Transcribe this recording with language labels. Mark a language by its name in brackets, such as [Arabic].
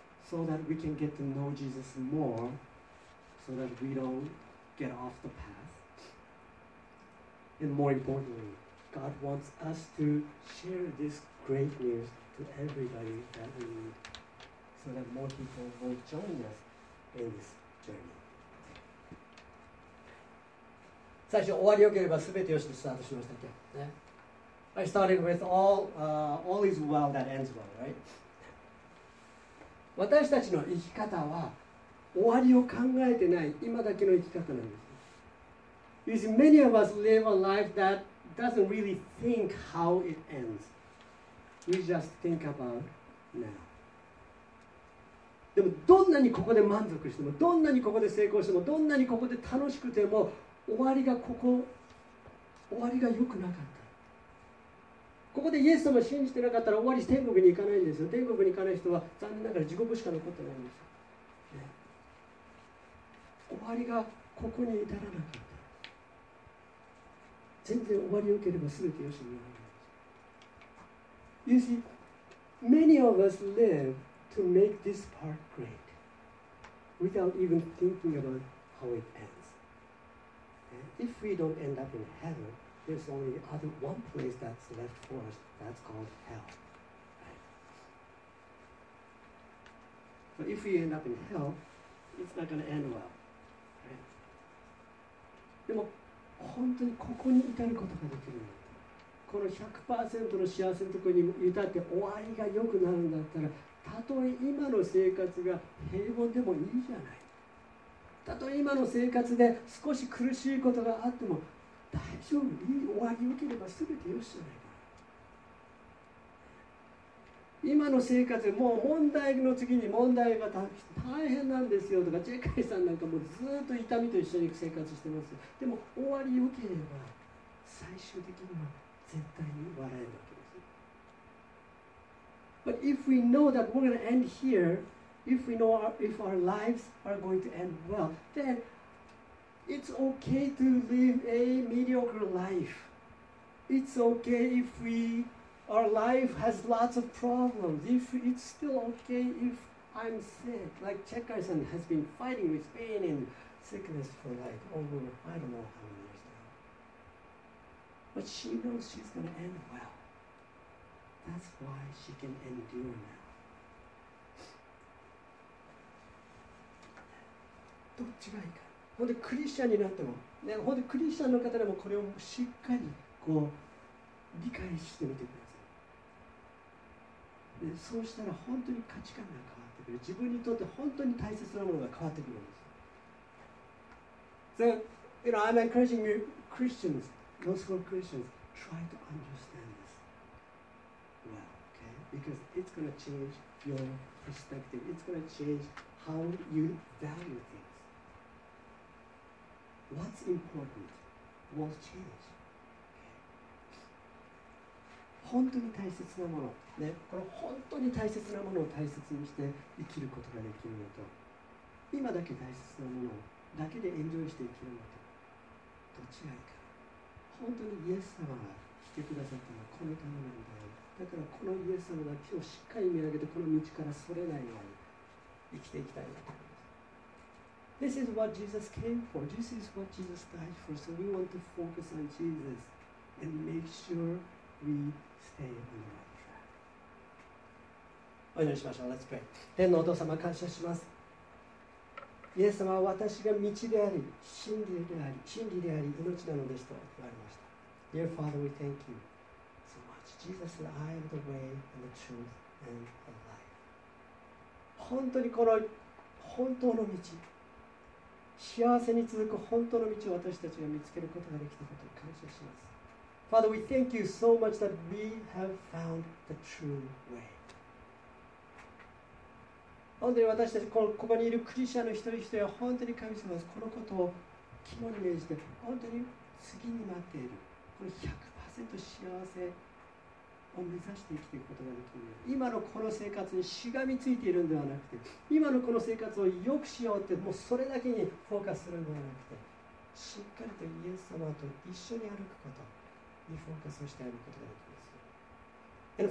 [English] So that we can get to know Jesus more, so that we don't get off the path. And more importantly, God wants us to share this great news to everybody that we meet, so that more people will join us in this journey. [Japanese] 最初終わりよければ全てよしとスタートしましたっけ? [English] I started with all is well that ends well, right? [Japanese] 私たちの生き方は終わりを考えてない今だけの生き方なんです。 [English] You see, many of us live a life that doesn't really think how it ends. We just think about now. [Japanese] でもどんなにここで満足しても、どんなにここで成功しても、どんなにここで楽しくても、終わりが良くなかった。ここでイエス様を信じてなかったら終わり天国に行かないんですよ。天国に行かない人は残念ながら地獄しか残ってないんですよ、ね。終わりがここに至らなかった。全然終わりよければ全てよしになるんです。 [English] You see, many of us live to make this part great without even thinking about how it ends.、Okay? If we don't end up in heaven,There's only other one place that's left for us. That's called hell. But if we end up in hell, it's not going to end well. [Japanese] でも本当にここに至ることができるんだ。この 100% の幸せのところに至って終わりが良くなるんだったら、たとえ今の生活が平凡でもいいじゃない。たとえ今の生活で少し苦しいことがあっても、大丈夫、終わりよければ全てよしじゃないか。今の生活もう問題の次に問題が大変なんですよとか、ジェカイさんなんかもうずっと痛みと一緒に生活してます。でも終わりよければ最終的には絶対に笑えるわけです。 [English] But if we know that we're going to end here, if we know our, if our lives are going to end well, then it's okay to live a mediocre life. It's okay if we, our life has lots of problems. If it's still okay if I'm sick, like Chekarsan has been fighting with pain and sickness for like over, I don't know how many years now. But she knows she's going to end well. That's why she can endure now. [Japanese] どっちがいいか。ほんでクリスチャンになっても、ね、ほんでクリスチャンの方でもこれをしっかりこう理解してみてください。で、そうしたら本当に価値観が変わってくる。自分にとって本当に大切なものが変わってくるんです。 [English] So, you know, I'm encouraging you, Christians, gospel Christians, try to understand this well, okay? Because it's going to change your perspective. It's going to change how you value things. What's important will change. [Japanese] 本当に大切なもの、ね、この本当に大切なものを大切にして生きることができるのと、今だけ大切なものだけでエンジョイして生きるのと、どちらか。本当にイエス様が来てくださったのはこのためなんだよ。だからこのイエス様が今日しっかり見上げて、この道からそれないように生きていきたいなと。 [English] This is what Jesus came for. This is what Jesus died for. So we want to focus on Jesus and make sure we stay on the right track. [Japanese] お祈りしましょう。 [English] Let's pray. [Japanese] 天のお父様、感謝します。イエス様は私が道であり、真理であり、真理であり、命なのですと言われました。 [English] Dear Father, we thank you so much. Jesus said, I am the way and the truth and the life. [Japanese] 本当にこの本当の道、幸せに続く本当の道を私たちが見つけることができたことを感謝します。 [English] Father, we thank you so much that we have found the true way. [Japanese] 本当に私たち ここにいるクリスチャンの一人一人は本当に神様です。このことを肝に銘じて、本当に次に待っている、この 100% 幸せを目指して生きていくことができる。今のこの生活にしがみついているのではなくて、今のこの生活を良くしようって、もうそれだけにフォーカスするのではなくて、しっかりとイエス様と一緒に歩くことにフォーカスしてあることができます。